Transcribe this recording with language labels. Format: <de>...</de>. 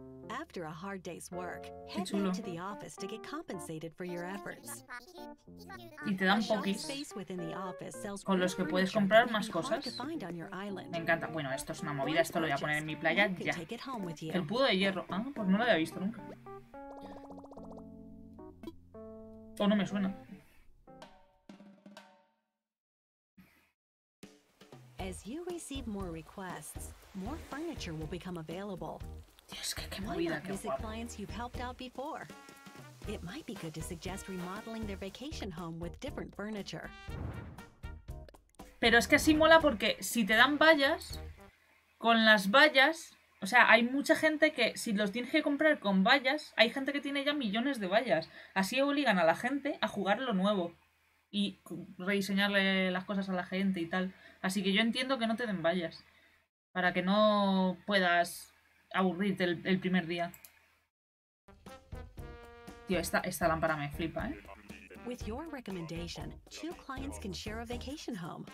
<en>After a hard day's work, head back to the office to get compensated for your efforts.</en> <es>Y te dan pokis con los que puedes comprar más cosas. Me encanta. Bueno, esto es una movida, esto lo voy a poner en mi playa ya. El pudo de hierro. Ah, pues no lo había visto nunca. O no me suena.</es> <en>As you receive more requests, more furniture will become available.</en> <es>Dios, qué movida, qué guapo.</es> <en>Clients you've helped out before. It might be good to suggest remodeling their vacation home with different furniture.</en> <es>Pero es que así mola porque si te dan vallas, con las vallas, o sea, hay mucha gente que si los tienes que comprar con vallas, hay gente que tiene ya millones de vallas. Así obligan a la gente a jugar lo nuevo y rediseñarle las cosas a la gente y tal. Así que yo entiendo que no te den vallas para que no puedas aburrirte el primer día. Tío, esta lámpara me flipa, ¿eh?</es> <en>With your recommendation, two clients can share a vacation home.</en>